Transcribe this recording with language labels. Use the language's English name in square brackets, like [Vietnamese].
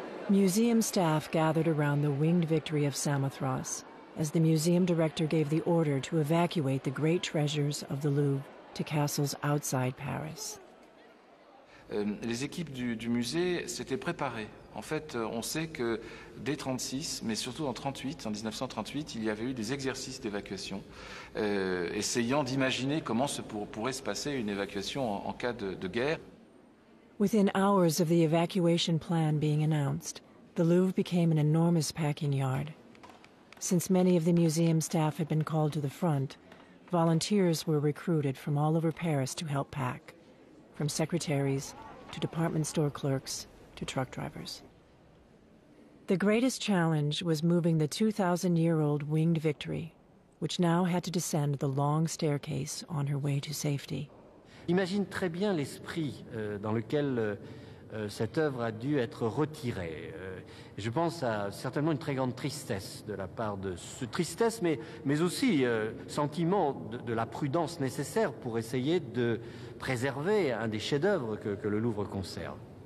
[English] Museum staff gathered around the winged victory of Samothrace as the museum director gave the order to evacuate the great treasures of the Louvre to castles outside Paris. [French] Les équipes du musée s'étaient préparées. En fait, on sait que dès 36, mais surtout en 38, en 1938, il y avait eu des exercices d'évacuation, essayant d'imaginer comment pourrait se passer une évacuation en cas de guerre. [English] Within hours of the evacuation plan being announced, the Louvre became an enormous packing yard. Since many of the museum staff had been called to the front, volunteers were recruited from all over Paris to help pack, from secretaries to department store clerks to truck drivers. The greatest challenge was moving the 2,000-year-old Winged Victory, which now had to descend the long staircase on her way to safety. [French] Imagine très bien l'esprit dans lequel cette œuvre a dû être retirée. Je pense à certainement une très grande tristesse de la part de ce tristesse, mais aussi sentiment de la prudence nécessaire pour essayer de préserver un des chefs-d'œuvre que le Louvre conserve.